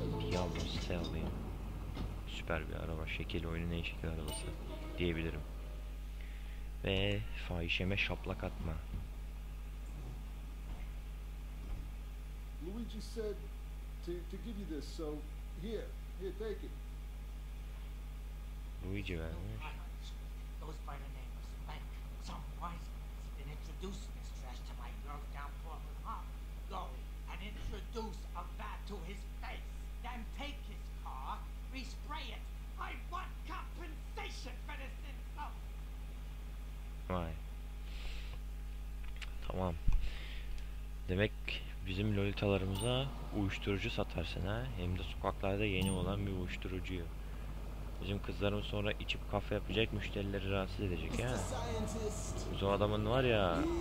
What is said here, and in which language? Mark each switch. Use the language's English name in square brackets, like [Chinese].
[Turkish] Diablo Stallion. Süper bir araba, şekil oyunun en şekil arabası diyebilirim. Ve fahişeme şaplak atma. [English] Luigi said to give you this, so here, take it. [Turkish] Luigi vermiş. [English] Goes by the name of Spank. Some wise man's been introducing this trash to my girl down Portland Harbor. Go and introduce a bat to his face. Then take his car, respray it. I want compensation for this insult. [Turkish] Vay. Tamam. Demek bizim lolitalarımıza uyuşturucu satarsın ha. Hem de sokaklarda yeni olan bir uyuşturucuyu. Bizim kızlarımız sonra içip kafa yapacak, müşterileri rahatsız edecek ha. Biz o adamın var ya.